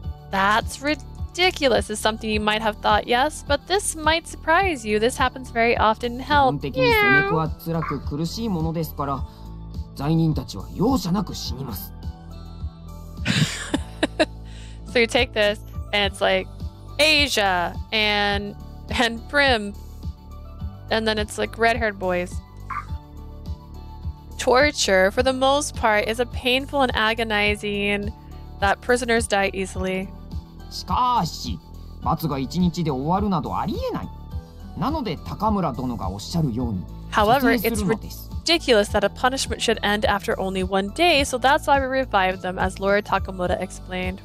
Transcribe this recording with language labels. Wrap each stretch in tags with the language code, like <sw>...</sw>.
<en>That's ridiculous is something you might have thought, yes, but this might surprise you. This happens very often in hell.</en> <ja>基本的に死肉は辛く苦しいものですから、罪人たちは容赦なく死にます。</ja> <en>So you take this, and it's like, Asia, and Prim, and then it's like red-haired boys. Torture, for the most part, is a painful and agonizing that prisoners die easily.</en> <ja>しかし、罰が一日で終わるなどありえない。なので、高村殿がおっしゃるように、説明するのです。</ja> <en>However, it's ridiculous that a punishment should end after only one day, so that's why we revived them, as Lord Takamoto explained.</en>